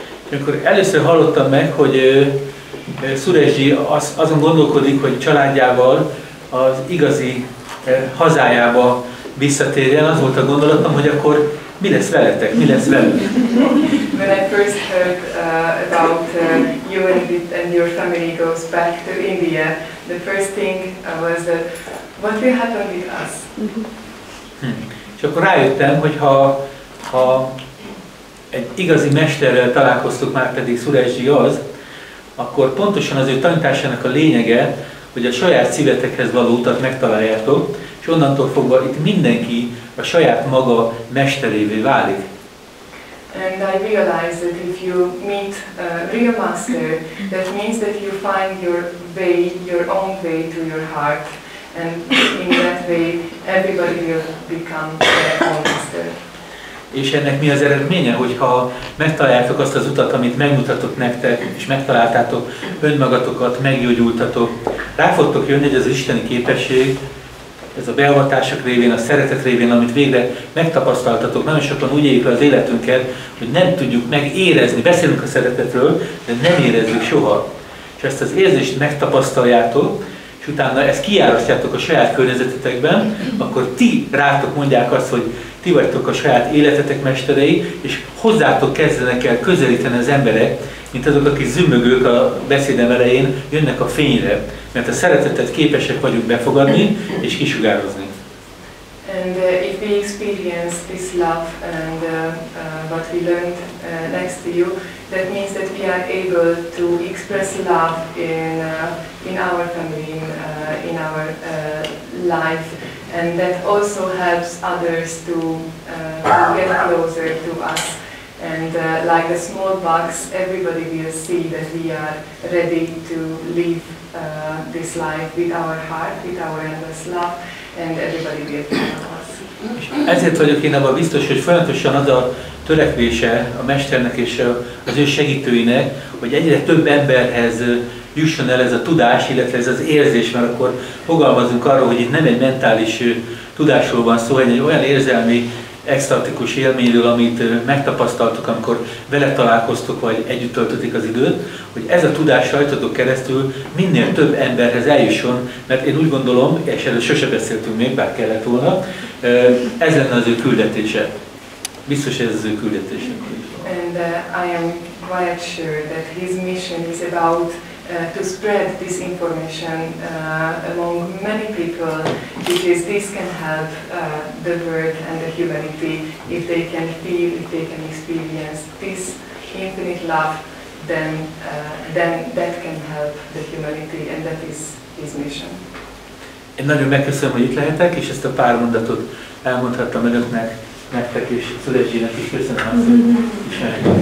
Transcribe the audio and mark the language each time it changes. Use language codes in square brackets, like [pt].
[hu] Amikor először hallottam meg, hogy Szuresi azon gondolkodik, hogy családjával az igazi hazájába visszatérjen, az volt a gondolatom, hogy akkor mi lesz veletek, mi lesz velünk. [en] When I first heard about you and your family goes back to India, the first thing was that what will happen with us? [hu] És akkor rájöttem, hogy ha egy igazi mesterrel találkoztuk, már pedig Szuresi az, akkor pontosan az ő tanításának a lényege, hogy a saját szívetekhez való utat megtaláljátok, és onnantól fogva itt mindenki a saját maga mesterévé válik. [en] And I realize that if you meet a real master, that means that you find your way, your own way to your heart, and in that way everybody will become their own master. [hu] És ennek mi az eredménye, hogyha megtaláltok azt az utat, amit megmutatok nektek, és megtaláltátok önmagatokat, meggyógyultatok, rá fogtok jönni, hogy az isteni képesség, ez a beavatások révén, a szeretet révén, amit végre megtapasztaltatok, nagyon sokan úgy éljük az életünket, hogy nem tudjuk megérezni, beszélünk a szeretetről, de nem érezzük soha. És ezt az érzést megtapasztaljátok, és utána ezt kiárasztjátok a saját környezetetekben, akkor ti rátok mondják azt, hogy ti vagytok a saját életetek mesterei, és hozzátok kezdenek el közelíteni az emberek, mint azok, akik zümmögők a beszédem elején, jönnek a fényre, mert a szeretetet képesek vagyunk befogadni és kisugározni. [en] And if we experience this love and what we learned next to you, that means that we are able to express love in our family, in our life, and that also helps others to get closer to us. And like a small box, everybody will see that we are ready to live this life with our heart, with our endless love, and everybody will come to us. [hu] És ezért vagyok én abban biztos, hogy folyamatosan az a törekvése a mesternek és az ő segítőinek, hogy egyre több emberhez jusson el ez a tudás, illetve ez az érzés, mert akkor fogalmazunk arról, hogy itt nem egy mentális tudásról van szó, hanem egy olyan érzelmi, extatikus élményről, amit megtapasztaltuk, amikor vele találkoztok, vagy együtt töltötik az időt, hogy ez a tudás rajtatok keresztül minél több emberhez eljusson, mert én úgy gondolom, és erről sose beszéltünk még, bár kellett volna, ez lenne az ő küldetése. Biztos ez az ő küldetése. [en] And I am quite sure that his mission is about to spread this information among many people, because this can help the world and the humanity if they can feel, if they can experience this infinite love, then that can help the humanity, and that is his mission. [hu] Én nagyon megköszönöm, hogy itt lehetek, és ezt a pár mondatot elmondhattam önöknek, nektek és Szuresinek is. Köszönöm azt, hogy ismerjük